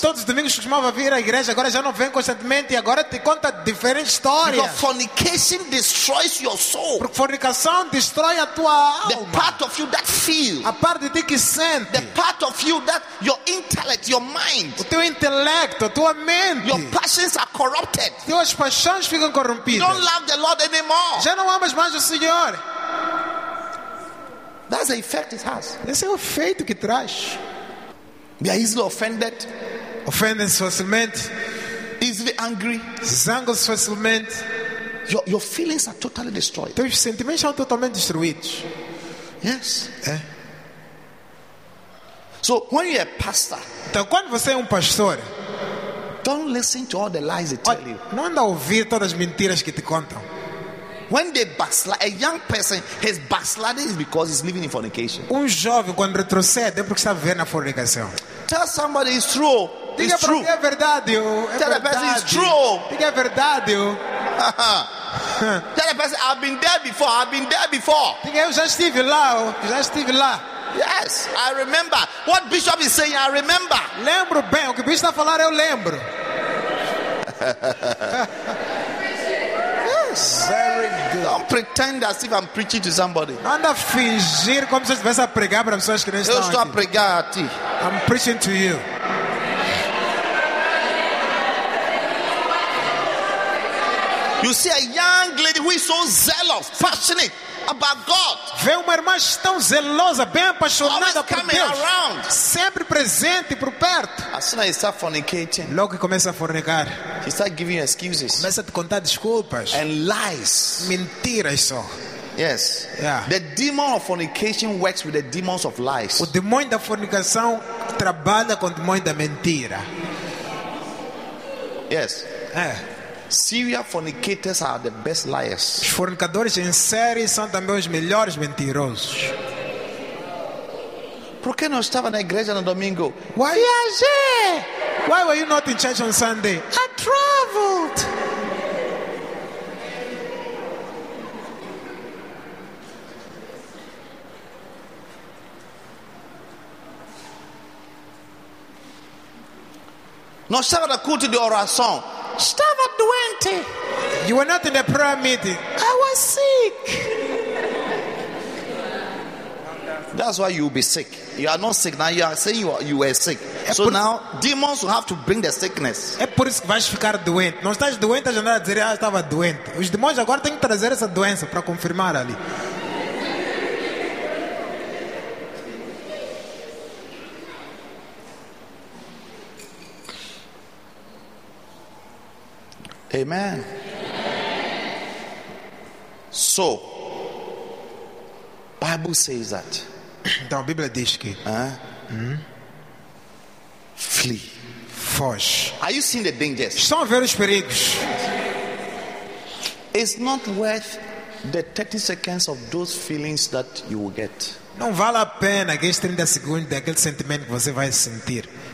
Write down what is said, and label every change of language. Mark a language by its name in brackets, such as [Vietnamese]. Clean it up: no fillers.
[Portuguese] Todos os domingos costumava vir à igreja, agora já não vem constantemente e agora te conta diferentes histórias. [English] Because fornication destroys your soul. [Portuguese] Porque fornicação destrói a tua alma. [English] The part of you that feels. [Portuguese] A parte de ti que sente. [English] The part of you that your intellect, your mind. [Portuguese] O teu intelecto, a tua mente. [English] Your passions are corrupted. [Portuguese] Tuas paixões ficam corrompidas. [English] You don't love the Lord anymore. [Portuguese] Já não amas mais o Senhor. [English] That's the effect it has. [Portuguese] Esse é o efeito que traz. [English] They are easily offended. [Portuguese] Ofendem-se facilmente. [English] Easily angry. [Portuguese] Zangam-se facilmente. [English] Your feelings are totally destroyed. [Portuguese] Teus sentimentos são totalmente destruídos. [English] Yes. [Portuguese] É. [English] So when you're a pastor, [Portuguese] então, quando você é um pastor, [English] don't listen to all the lies they tell you. [Portuguese] Não anda a ouvir todas as mentiras que te contam. [English] When they backslide, a young person has backslided is because he's living in fornication. [Portuguese] Um jovem quando retrocede é porque está vivendo na fornicação. [English] Tell somebody it's true. [Portuguese] Diga [English] it's true. [Portuguese] É verdade. É [English] tell [Portuguese] verdade. [English] The person it's true. [Portuguese] Diga é verdade. [English] Tell the person I've been there before. I've been there before. [Portuguese] Diga eu já estive lá. Já estive lá. [English] Yes, I remember. What Bishop is saying, I remember. [Portuguese] Lembro bem, o que o Bishop está a falar, eu lembro. [English] Yes. Very good. Don't pretend as if I'm preaching to somebody. [Portuguese] Anda a fingir como se eu estivesse a pregar para pessoas que não estão aqui. Eu estou a pregar a ti. [English] I'm preaching to you. You see a young lady who is so zealous, passionate about God. [Portuguese] Vê uma irmã tão zelosa, bem apaixonada por Deus. [English] Around. [Portuguese] Sempre presente por perto. [English] As soon as you start fornicating, [Portuguese] logo que começa a fornicar, [English] she start giving excuses. [Portuguese] Começa a te contar desculpas. [English] And lies. [Portuguese] Mentiras só. [English] Yes. Yeah. The demon of fornication works with the demons of lies. [Portuguese] O demônio da fornicação trabalha com o demônio da mentira. [English] Yes. [Portuguese] É. [English] Serial fornicators are the best liars. [Portuguese] Os fornicadores em série são também os melhores mentirosos. Por que não estava na igreja no domingo? [English] Why? Why were you not in church on Sunday? I traveled. [Portuguese] Não estava na culto de oração. Estava doente. [English] You were not in the prayer meeting. I was sick. That's why you'll be sick. You are not sick now. You are saying you were sick. So now demons will have to bring the sickness. [Portuguese] É por isso que vais ficar doente. Não estás doente, já não dizer, ah, estava doente. Os demônios agora têm que trazer essa doença para confirmar ali. [English] Amen. So, Bible says that. [Portuguese] Então a Bíblia diz que [English] flee, [Portuguese] foge. [English] Are you seeing the dangers? [Portuguese] Estão a ver os perigos? [English] It's not worth the 30 seconds of those feelings that you will get. [Portuguese] Não vale a pena aqueles 30 segundos daquele sentimento que você vai sentir.